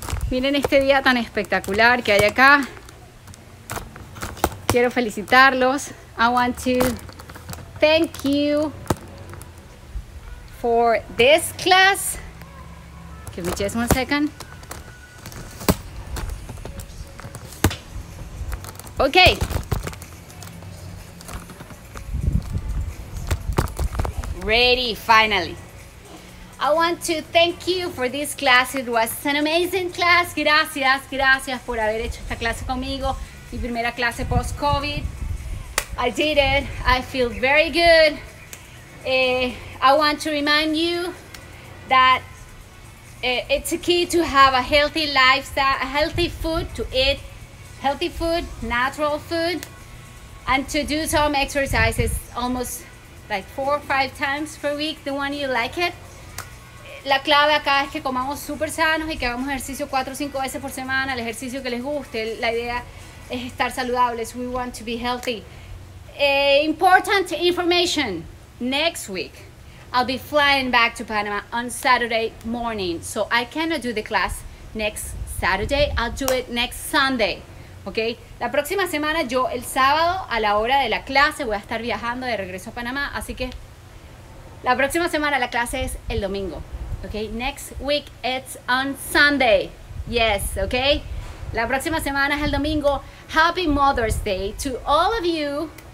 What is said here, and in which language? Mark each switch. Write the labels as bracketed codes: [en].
[es] Miren este día tan espectacular que hay acá. Quiero felicitarlos. [en] I want to thank you for this class. Give me just one second. Okay. Ready, finally. I want to thank you for this class. It was an amazing class. [es] Gracias, gracias por haber hecho esta clase conmigo. Mi primera clase post-COVID. [en] I did it. I feel very good. I want to remind you that it's a key to have a healthy lifestyle, a healthy food to eat, healthy food, natural food, and to do some exercises almost like 4 or 5 times per week, the one you like it. [es] La clave acá es que comamos super sanos y que hagamos ejercicio 4 o 5 veces por semana, el ejercicio que les guste. La idea es estar saludables. [en] We want to be healthy. Important information. Next week, I'll be flying back to Panama on Saturday morning. So I cannot do the class next Saturday. I'll do it next Sunday. Okay? [es] La próxima semana, yo el sábado a la hora de la clase voy a estar viajando de regreso a Panamá. Así que la próxima semana la clase es el domingo. [en] Okay, next week it's on Sunday. Yes, okay. [es] La próxima semana es el domingo. [en] Happy Mother's Day to all of you.